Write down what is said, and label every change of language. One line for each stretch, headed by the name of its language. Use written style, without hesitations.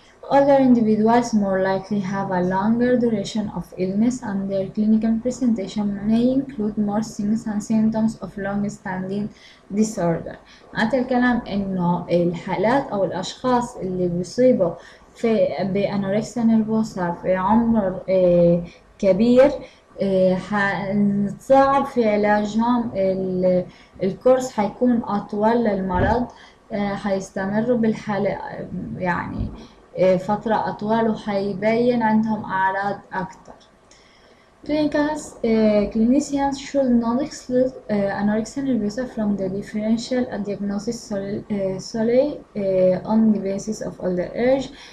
English: Other individuals more likely have a longer duration of illness and their clinical presentation may include more signs and symptoms of long-standing disorder.
Arabic: معناتها الكلام انه الحالات او الاشخاص اللي بيصيبوا في بانوركسيا نيرفوسا في عمر كبير حنتصعب في علاجهم، الكورس حيكون اطول للمرض، حيستمروا بالحالة يعني فترة أطول وحيبين عندهم أعراض أكثر.
English: Clinicians should not exclude anorexia nervosa from the differential diagnosis solely on the basis of older age.